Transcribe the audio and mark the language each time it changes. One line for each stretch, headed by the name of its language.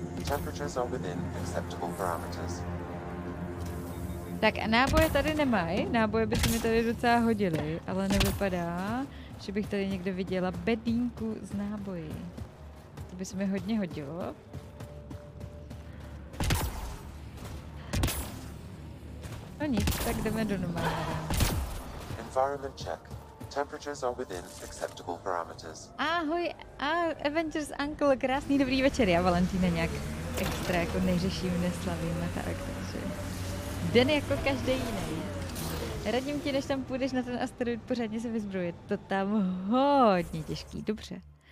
English: Temperatures are within acceptable parameters.
Czech: Tak a náboje tady nemají. Náboje by se mi tady docela hodily, ale nevypadá, že bych tady někde viděla bedínku s náboji. To by se mi hodně hodilo. No nic, tak jdeme do normálního.
English: Environment check. Temperatures are within acceptable parameters.
Czech: Ahoj, Avengers Uncle, krásný dobrý večer. Já Valentína nějak extra jako neřeším, neslavím a tak, takže den jako každý jiný. Radím ti, než tam půjdeš na ten asteroid pořádně se vyzbrojit. To tam hodně těžký, dobře.